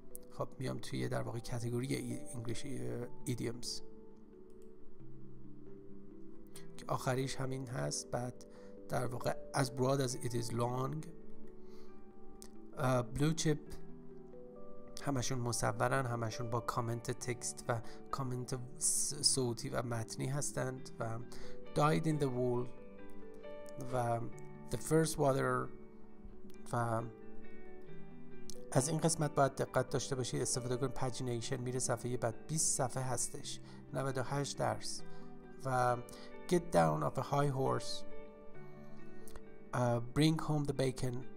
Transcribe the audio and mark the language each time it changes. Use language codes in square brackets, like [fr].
[fa] خب میام توی در واقع کاتگوری انگلیش ایدیومز که آخریش همین هست، بعد در واقع [en] as broad as it is long. [fa] Blue chip، همشون مصورن، همشون با کامنت تکست و کامنت صوتی و متنی هستند. و [en] died in the wool [fa] و [en] the first water. [fa] و از این قسمت باید دقت داشته باشید، استفاده کن pagination میره صفحه بعد، 20 صفحه هستش، 98 درس. و [en] get down off a high horse. Bring home the bacon.